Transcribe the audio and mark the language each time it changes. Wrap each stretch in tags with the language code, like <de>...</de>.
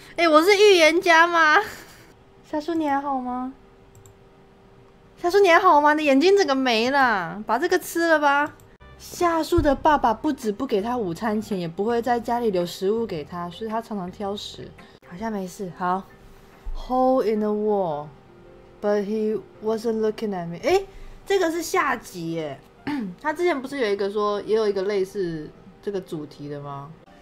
<zh>我是预言家吗？夏树你还好吗？夏树你还好吗？你眼睛整个没了，把这个吃了吧。夏树的爸爸不止不给他午餐钱，也不会在家里留食物给他，所以他常常挑食。好像没事。好</zh> <en>，Hole in the wall, but he wasn't looking at me。</en> <zh>这个是下集耶。他之前不是有一个说也有一个类似这个主题的吗？</zh>